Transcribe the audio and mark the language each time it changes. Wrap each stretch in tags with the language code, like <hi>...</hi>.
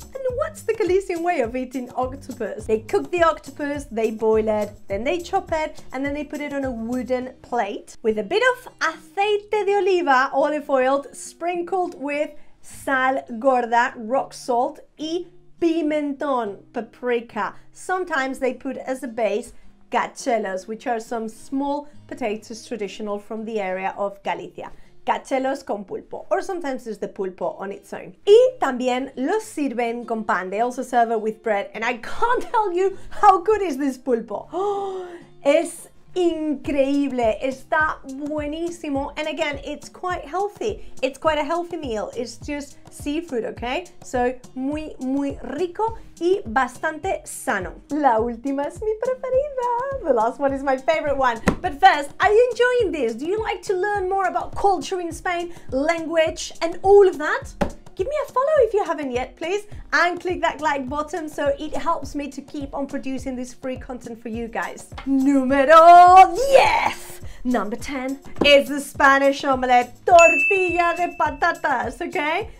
<en>And what's the Galician way of eating octopus? They cook the octopus, they boil it, then they chop it, and then they put it on a wooden plate with a bit of aceite de oliva, olive oil, sprinkled with sal gorda, rock salt, y pimentón, paprika. Sometimes they put as a base gachelos, which are some small potatoes traditional from the area of Galicia. Gachelos con pulpo, or sometimes it's the pulpo on its own.</en> <es>Y también los sirven con pan.</es> <en>They also serve it with bread, and I can't tell you how good is this pulpo. Oh,</en> <es>es increíble, está buenísimo,</es> <en>and again, it's quite healthy. It's quite a healthy meal, it's just seafood, okay?</en> <es>So, muy, muy rico y bastante sano. La última es mi preferida.</es> <en>The last one is my favorite one. But first, are you enjoying this? Do you like to learn more about culture in Spain, language, and all of that? Give me a follow if you haven't yet, please, and click that like button so it helps me to keep on producing this free content for you guys.</en> <es>Número 10!</es> <en>Number 10 is the Spanish omelette, tortilla de patatas, okay?</en>